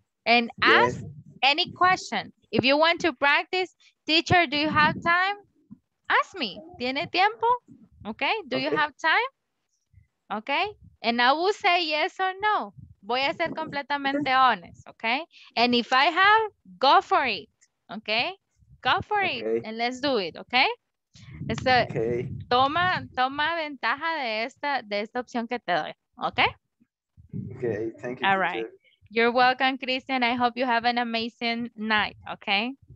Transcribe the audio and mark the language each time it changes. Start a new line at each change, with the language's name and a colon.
English: And ask any question. If you want to practice, teacher, do you have time? Ask me.
Spanish: ¿Tiene tiempo?
English: Okay, do you have time? Okay, and I will say yes or no.
Spanish: Voy a ser completamente
English: honest, okay? And if I have, go for it, okay? Go for it and let's do it, okay?
Spanish: So, toma ventaja de esta opción que te doy, okay?
English: Okay, thank you. All right. Teacher. You're welcome, Christian. I hope you have an amazing night, okay?